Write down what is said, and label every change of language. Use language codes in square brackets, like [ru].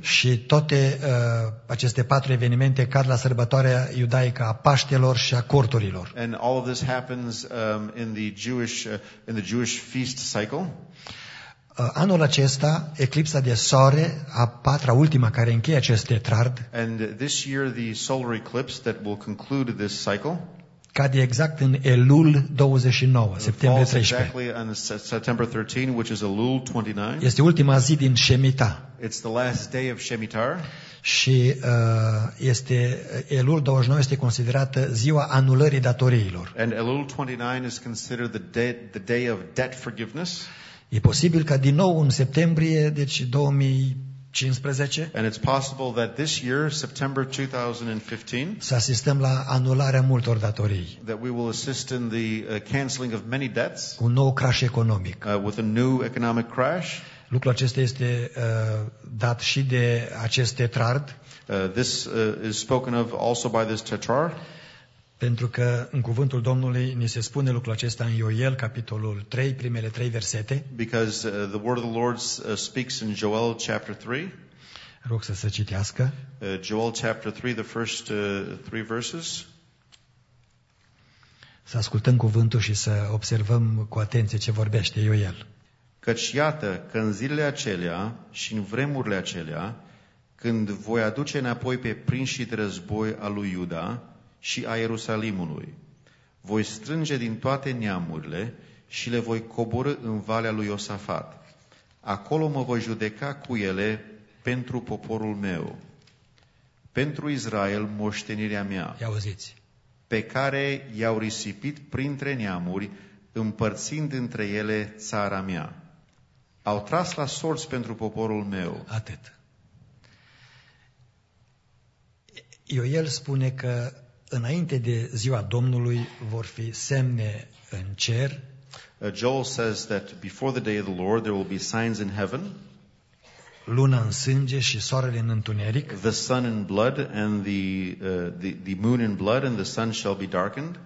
[ro] Și toate aceste patru evenimente cad la sărbătoarea iudaică a Paștelor și a Corturilor. [en] And all of this happens in the Jewish feast cycle. [ro] Anul acesta, eclipsa de soare, a patra, ultima care încheie acest tetrard. [en] And this year the solar eclipse that will conclude this cycle. [ro] Cade exact în Elul 29, septembrie 13. [en] Exactly on September 13, which is Elul 29. [ro] Este ultima zi din Shemitah. [en] It's the last day of Shemitah. [ro] Și este Elul 29 este considerată ziua anulării datoriilor. [en] And Elul 29 is considered the day of debt forgiveness. [ro] E posibil ca din nou în septembrie, deci 2015. [en] And it's possible that this year, September 2015, [ro] să asistăm la anularea multor datorii. [en] That we will assist in the canceling of many debts. [ro] Un nou crash economic. [en] With a new economic crash. [ro] Lucrul acesta este dat și de acest tetrard. [en] This is spoken of also by this tetrarch. [ro] Pentru că în cuvântul Domnului ni se spune lucrul acesta în Ioel capitolul 3, primele 3 versete. [en] Because the word of the Lord speaks in Joel chapter 3. [ro] Rog să se citească. [en] Joel chapter 3, the first 3 verses. [ro] Să ascultăm cuvântul și să observăm cu atenție ce vorbește Ioel. Căci iată că în zilele acelea și în vremurile acelea, când voi aduce înapoi pe prinșii de război al lui Iuda și a Ierusalimului, voi strânge din toate neamurile și le voi coborî în valea lui Iosafat. Acolo mă voi judeca cu ele pentru poporul meu, pentru Israel moștenirea mea, i-auziți, pe care i-au risipit printre neamuri, împărțind între ele țara mea. Au tras la sorți pentru poporul meu. Atât. Ioel spune că înainte de ziua Domnului vor fi semne în cer. [en] Joel says that before the day of the Lord there will be signs in heaven. [ro] Luna în sânge și soarele în întuneric. [en] The sun in blood and the moon in blood and the sun shall be darkened.